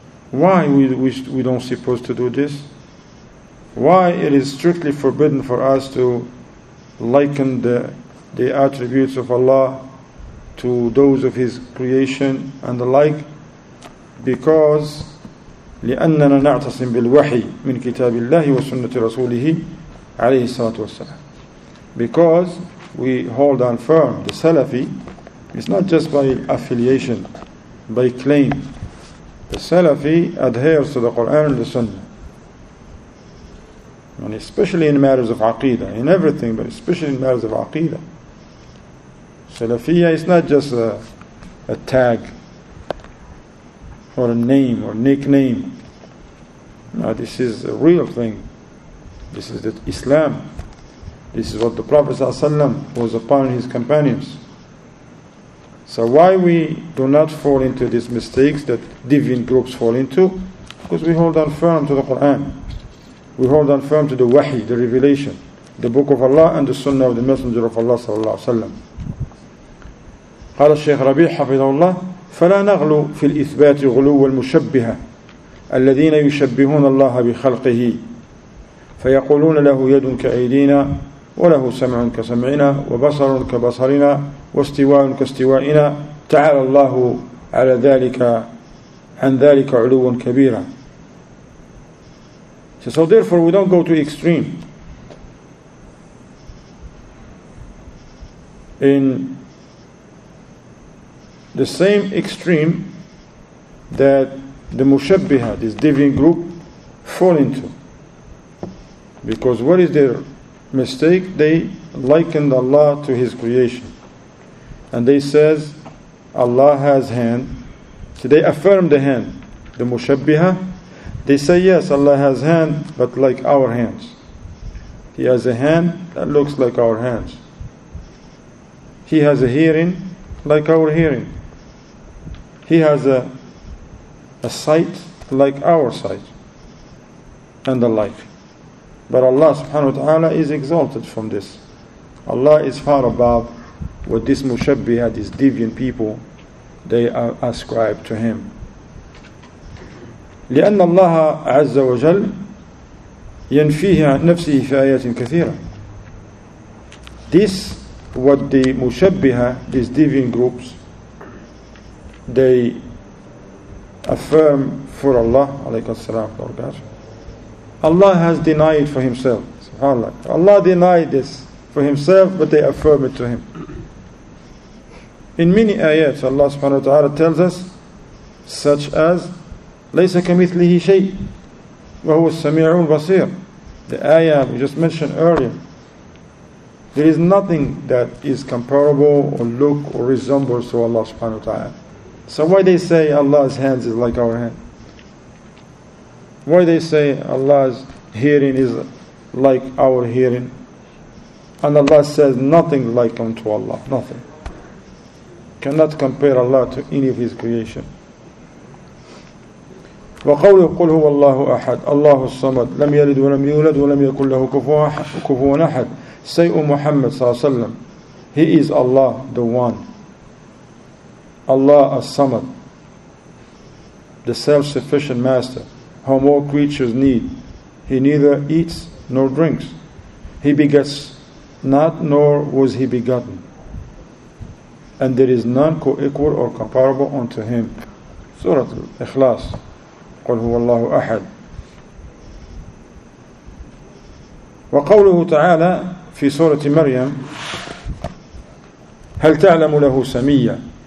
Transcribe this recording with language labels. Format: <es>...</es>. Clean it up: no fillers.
<en>Why we don't suppose to do this? Why it is strictly forbidden for us to liken the attributes of Allah to those of His creation and the like? Because</en> <ar>لِأَنَّنَا نَعْتَصِمْ بِالْوَحِي مِنْ كِتَابِ اللَّهِ وَسُنَّةِ رَسُولِهِ عَلَيْهِ الصَّلَاةُ وَالسَّلَامُ.</ar> <en>Because we hold on firm, the Salafi, it's not just by affiliation, by claim. The Salafi adheres to the Quran and the Sunnah. And especially in matters of aqeedah, in everything, but especially in matters of aqeedah. Salafiyyah is not just a tag or a name or nickname. No, this is a real thing. This is the Islam. This is what the Prophet ﷺ was upon his companions. So why we do not fall into these mistakes that deviant groups fall into? Because we hold on firm to the Quran. We hold on firm to the wahi, the revelation, the book of Allah and the sunnah of the Messenger of Allah sallallahu alaihi wasallam.</en> <ar>قال الشيخ ربيع حفظه الله فلا نغلو في الإثبات غلو المشبهة الذين يشبهون الله بخلقه فيقولون له يد كأيدينا وله سمع كسمعنا وبصر كبصرنا واستواء كاستوائنا تعالى الله على ذلك عن ذلك علو كبيرا.</ar> <en>So therefore we don't go to extreme in the same extreme that the mushabbiha, this deviant group, fall into. Because what is their mistake? They likened Allah to his creation. And they says, Allah has hand. So they affirm the hand, the mushabbiha. They say, yes, Allah has hand, but like our hands. He has a hand that looks like our hands. He has a hearing like our hearing. He has a sight like our sight and the like. But Allah subhanahu wa ta'ala is exalted from this. Allah is far above what this mushabbiha, these deviant people, they ascribe to him.</en> <ar>لأن الله عز وجل ينفيه عن نفسه في آيات كثيرة.</ar> <en>This, what the mushabbiha, these deviant groups, they affirm for Allah, alayka salam, Allah has denied for himself. SubhanAllah. Allah denied this for himself, but they affirm it to him. In many ayats, Allah subhanahu wa ta'ala tells us, such as,</en> <ar>لَيْسَ كَمِثْلِهِ شَيْءٍ وَهُوَ السَّمِيعُ الْبَصِيرُ.</ar> <en>The ayah we just mentioned earlier. There is nothing that is comparable or look or resembles to Allah subhanahu wa ta'ala. So why they say Allah's hands is like our hand? Why they say Allah's hearing is like our hearing? And Allah says nothing like unto Allah, nothing. Cannot compare Allah to any of his creation.</en> <ar>وَقَوْلُهُ قُلْ هُوَ اللَّهُ أَحَدٌ اللَّهُ الصَّمَدُ لَمْ يَلِدْ وَلَمْ يُولَدْ وَلَمْ يَكُنْ لَهُ كُفُوًا أَحَدٌ</ar> <en>Say, O Muhammad صلى الله عليه وسلم, He is Allah, the One. Allah as-Samad, the self-sufficient master, whom all creatures need. He neither eats nor drinks. He begets not, nor was he begotten. And there is none co-equal or comparable unto him.</en> <ar>Surah Al-Ikhlas, قُلْ هُوَ اللَّهُ أَحَدٌ وَقَوْلُهُ تَعَالَى فِي سُورَةِ مَرْيَمَ هَلْ تَعْلَمُ لَهُ سَمِيَّا.</ar>